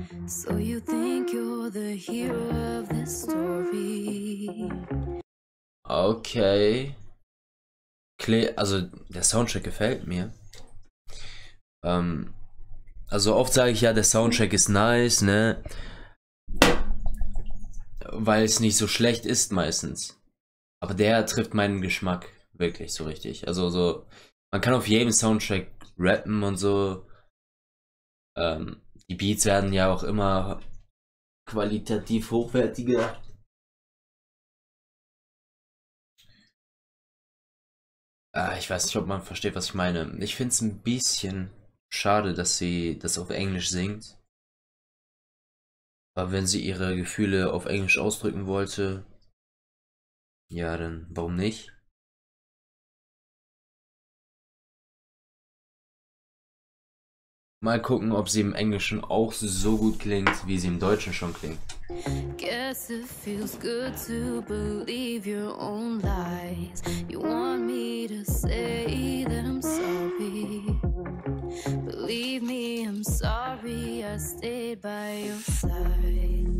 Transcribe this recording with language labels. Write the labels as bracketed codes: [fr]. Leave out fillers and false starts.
[en] So you think you're the hero of this story? Okay. [de] Also der Soundtrack gefällt mir. Also oft sage ich ja, der Soundtrack ist nice, ne? Weil es nicht so schlecht ist meistens. Aber der trifft meinen Geschmack wirklich so richtig. Also so, man kann auf jedem Soundtrack rappen und so. Die Beats werden ja auch immer qualitativ hochwertiger. Ich weiß nicht, ob man versteht, was ich meine. Ich finde es ein bisschen schade, dass sie das auf Englisch singt. Aber wenn sie ihre Gefühle auf Englisch ausdrücken wollte, ja, dann warum nicht? Mal gucken, ob sie im Englischen auch so gut klingt, wie sie im Deutschen schon klingt. [en] Guess it feels good to believe your own lies. You want me to say that I'm sorry. Believe me, I'm sorry I stayed by your side.